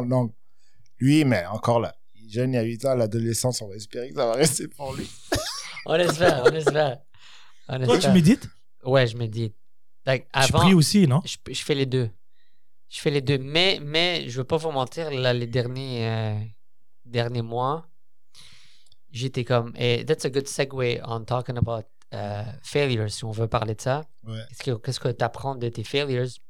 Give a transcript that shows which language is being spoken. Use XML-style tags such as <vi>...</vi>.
<fr>Donc, lui, mais encore là, il est jeune, il y a 8 ans, l'adolescence, on va espérer que ça va rester pour lui. On espère. Toi, tu médites? Ouais, je médite. Donc, avant, tu pries aussi, non? Je fais les deux. Mais je ne veux pas vous mentir, là, les derniers mois, j'étais comme.</fr> <en>Et that's a good segue on talking about.</en> <fr>Failures, si on veut parler de ça. Ouais. Qu'est-ce que tu apprends de tes failures?</fr>